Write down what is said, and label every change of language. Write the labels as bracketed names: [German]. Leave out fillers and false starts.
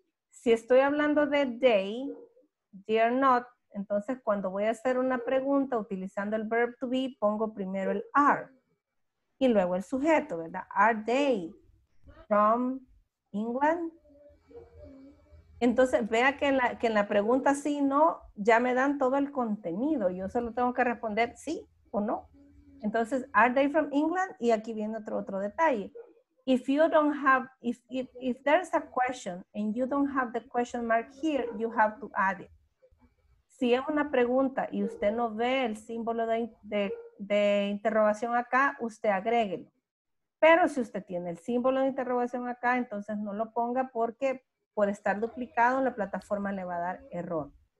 [Spanish] Si estoy hablando de they are not, entonces cuando voy a hacer una pregunta utilizando el verb to be, pongo primero el are y luego el sujeto, ¿verdad? [English] Are they from England? [Spanish] Entonces vea que en la pregunta sí y no, ya me dan todo el contenido. Yo solo tengo que responder sí o no. Entonces, [English] are they from England? [Spanish] Y aquí viene otro detalle. [English] If you don't have, if there's a question and you don't have the question mark here, you have to add it. [Spanish] Si es una pregunta y usted no ve el símbolo de interrogación acá, usted agréguelo. Pero si usted tiene el símbolo de interrogación acá, entonces no lo ponga porque por estar duplicado la plataforma le va a dar error.